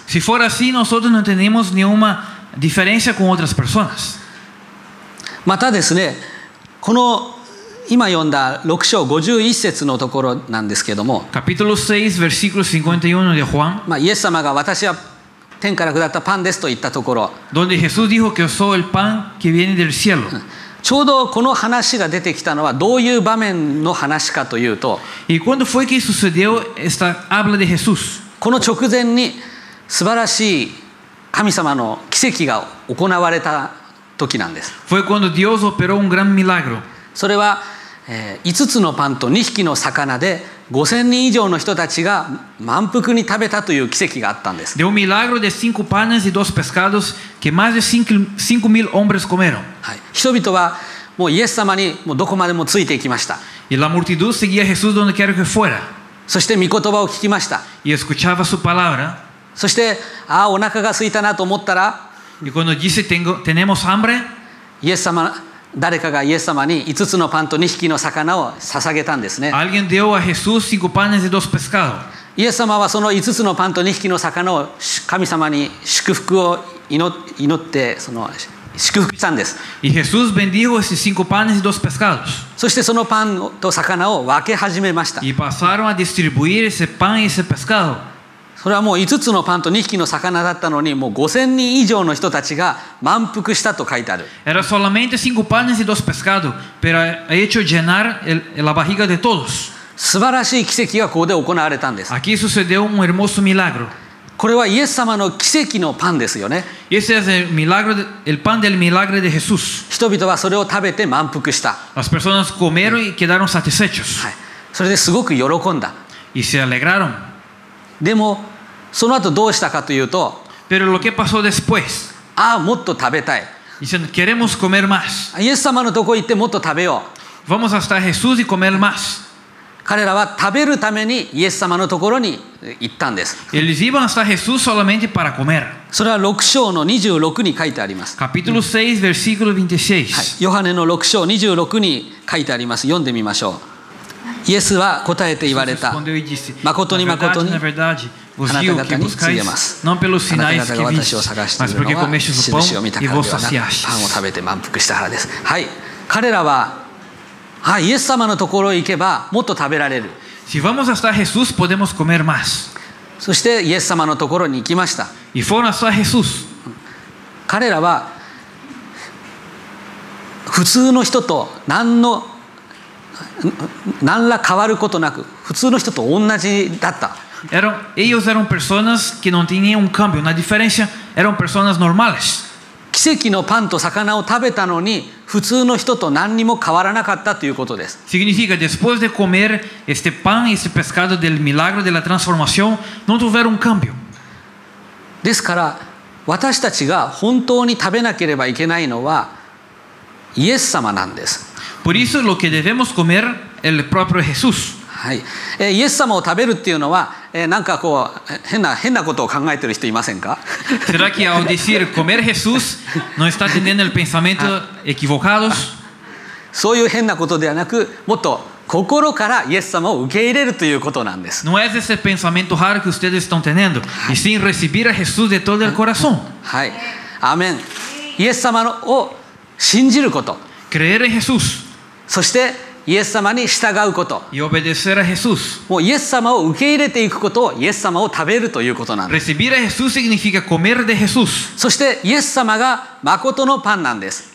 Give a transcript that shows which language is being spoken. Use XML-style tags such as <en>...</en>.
<es>Si fuera así, nosotros no tenemos ninguna diferencia con otras personas。</es> <ja>またですね、この今読んだ6章51節のところなんですけども、</ja> <es>Capítulo 6, versículo 51 de Juan、</es> <ja>まあ、イエス様が私は天から下ったパンですと言ったところ、</ja> <es>Donde Jesús dijo que soy el pan que viene del cielo。</es> <ja>ちょうどこの話が出てきたのはどういう場面の話かというと、</ja> <es>Y cuando fue que sucedió esta habla de Jesús。</es> <ja>この直前に素晴らしい神様の奇跡が行われた。時なんです。</ja> <es>Fue cuando Dios operó un gran milagro.</es> <ja>それは、5つのパンと2匹の魚で5000人以上の人たちが満腹に食べたという奇跡があったんです。</ja> <es>De un milagro de 5 panes y 2 pescados que más de 5000 hombres comieron.</es> <ja>はい。人々はもうイエス様にもうどこまでもついていきました。</ja> <es>Y la multitud seguía a Jesús donde quiera que fuera.</es> <ja>そして御言葉を聞きました。</ja> <es>Y escuchaba su palabra.</es> <ja>そして、ああお腹が空いたなと思ったら、</ja> <es>Y cuando dice tenemos hambre,</es> <ja>イエス様、誰かがイエス様に5つのパンと2匹の魚を捧げたんですね。</ja> <es>Alguien dio a Jesús 5 panes y 2 pescados.</es> <ja>イエス様はその5つのパンと2匹の魚を神様に祝福を祈ってその祝福したんです。</ja> <es>Y Jesús bendijo esos 5 panes y 2 pescados.</es> <ja>そしてそのパンと魚を分け始めました。</ja> <es>Y pasaron a distribuir ese pan y ese pescado.</es> <ja>それはもう5つのパンと2匹の魚だったのにもう5000人以上の人たちが満腹したと書いてある。</ja> <es>Era solamente 5 panes y 2 pescados, pero ha hecho llenar la barriga de todos.</es> <ja>素晴らしい奇跡がここで行われたんです。</ja> <es>Aquí sucedió un hermoso milagro.</es> <ja>これはイエス様の奇跡のパンですよね。</ja> <es>Ese es el pan del milagro de Jesús.</es> <ja>人々はそれを食べて満腹した。</ja> <es>Las personas comieron y quedaron satisfechos.</es> <ja>はい。それですごく喜んだ。</ja> <es>Y se alegraron.</es> <ja>でもその後どうしたかというと、</ja> <es>Pero lo que pasó después,</es> <ja>ああもっと食べたい。</ja> <es>Dicen, queremos comer más.</es> <ja>イエス様のとこ行ってもっと食べよう。</ja> <es>Vamos hasta Jesús y comer más.</es> <ja>彼らは食べるためにイエス様のところに行ったんです。</ja> <es>Ellos iban hasta Jesús solamente para comer.</es> <ja>それは6章の26に書いてあります。</ja> <es>Capítulo 6, versículo 26.</es> <ja>はい、ヨハネの6章26に書いてあります。読んでみましょう。イエスは答えて言われた。誠に誠に、あなた方に告げます。あなた方が私を探しているのは、印を見たからではなく、パンを食べて満腹したからです。はい、彼らは、はい、イエス様のところへ行けばもっと食べられる。</ja> <es>Si vamos hasta Jesús, podemos comer más.</es> <ja>そしてイエス様のところに行きました。</ja> <es>Y fueron hasta Jesús.</es> <ja>彼らは普通の人と何の何ら変わることなく普通の人と同じだった。</ja> <es>Ellos eran personas que no tenían un cambio, una diferencia. Eran personas normales.</es> <ja>奇跡のパンと魚を食べたのに普通の人と何にも変わらなかったということです。</ja> <es>Significa después de comer este pan y este pescado del milagro de la transformación, no tuvieron un cambio.</es> <ja>ですから私たちが本当に食べなければいけないのはイエス様なんです。</ja> <es>Por eso lo que debemos comer el propio Jesús.</es> <ja>はい。イエス様を食べるっていうのは、なんかこう変なことを考えてる人いませんか？</ja> <es>¿Será que al decir comer Jesús no está teniendo el pensamiento equivocado?</es> <ja>そういう変なことではなく、もっと心からイエス様を受け入れるということなんです。</ja> <es>No es ese pensamiento raro que ustedes están teniendo, y sin recibir a Jesús de todo el corazón.</es> <ja>はい。アーメン。イエス様を信じること。</ja> <es>Creer en Jesús.</es> <ja>そしてイエス様に従うこと。</ja> <es>Y obedecer a Jesús.</es> <ja>もうイエス様を受け入れていくことをイエス様を食べるということなんです。</ja> <es>Recibir a Jesús significa comer de Jesús.</es> <ja>そしてイエス様が誠のパンなんです。</ja>